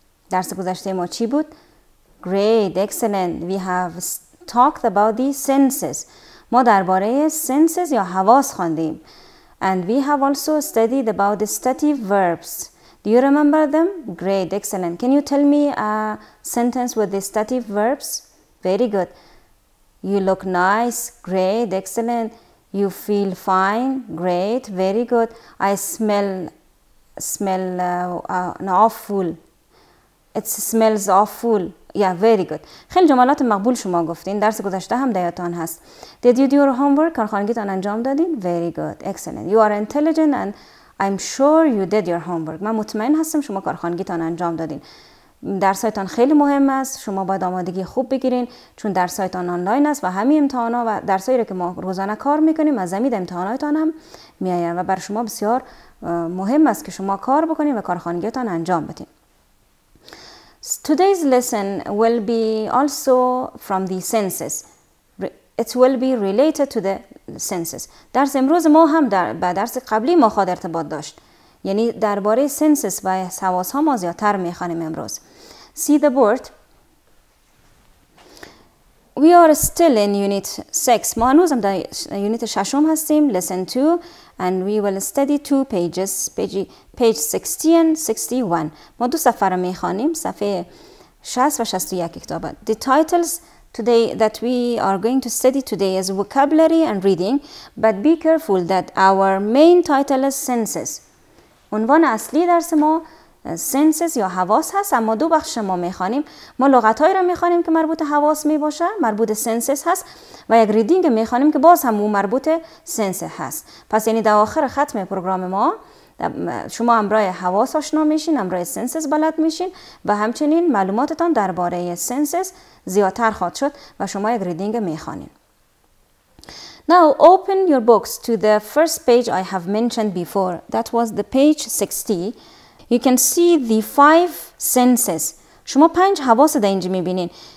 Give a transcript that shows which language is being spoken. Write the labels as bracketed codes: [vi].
[fa] درس گذشته ما چی بود؟ [en] Great, excellent. We have talked about the senses. ما درباره senses یا حواس خواندیم. And we have also studied about the stative verbs. Do you remember them? Great, excellent. Can you tell me a sentence with the stative verbs? Very good. You look nice. Great, excellent. You feel fine. Great, very good. I smell an awful. It smells awful. Yeah, very good. [fa] خیلی جملات مقبول شما گفتین. درس گذشته هم دیاتان هست. [en] Did you do your homework? [fa] کارخانگیتان انجام دادین؟ [en] Very good, excellent. You are intelligent and I'm sure you did your homework. [fa] من مطمئن هستم شما کارخانگیتان انجام دادین. درسایتان خیلی مهم است. شما باید آمادگی خوب بگیرین چون درسایتان آنلاین است و همه امتحانات و درسایی که ما روزانه کار میکنیم از زمین امتحاناتتان هم میآیند و بر شما بسیار مهم است که شما کار بکنین و کارخانگیتان انجام بدین. [en] Today's lesson will be also from the senses. It will be related to the senses. [fa] درس امروز ما هم به درس قبلی ما خود ارتباط داشت. یعنی درباره senses و حواس ها ما زیادتر می خوانیم امروز. [en] See the board. We are still in unit 6. [fa] ما هنوز هم در unit 6 هستیم. [en] Lesson 2. And we will study two pages. Page 60 and 61. [fa] ما دو صفحه رو می خوانیم. صفحه 60 و 61 کتاب. [en] The titles today that we are going to study today is vocabulary and reading, but be careful that our main title is senses. [fa] عنوان اصلی درس ما senses یا حواس هست، اما دو بخش ما میخوانیم. ما لغتهایی را میخوانیم که مربوط حواس میباشه، مربوط senses هست، و یک reading میخوانیم که باز هم مربوط senses هست. پس یعنی در آخر ختم پروگرام ما شما امرای حواس آشنا میشین، امرای senses بلد میشین و همچنین معلوماتتان درباره senses زیادتر خواهد شد و شما یک ریدینگ میخوانین. [en] Now open your books to the first page I have mentioned before. That was the page 60. You can see the five senses. [fa] شما پنج حواس در اینجا میبینین.